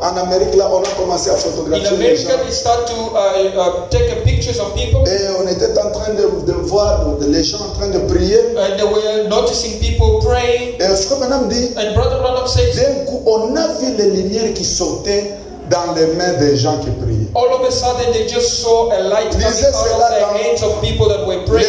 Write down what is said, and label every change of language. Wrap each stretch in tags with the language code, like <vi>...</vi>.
<fr>En Amérique, là, on a commencé à photographier les gens.</fr> <en>In America, we start to take pictures of people.</en> <fr>Et on était en train de voir les gens en train de prier.</fr> <en>And they were noticing people praying.</en> <fr>Et Frère Branham dit.</fr> <en>And Brother Branham says.</en> <fr>D'un coup, on a vu les lumières qui sortaient dans les mains des gens qui priaient.</fr> <en>All of a sudden, they just saw a light coming out of the hands of people that were praying.</en>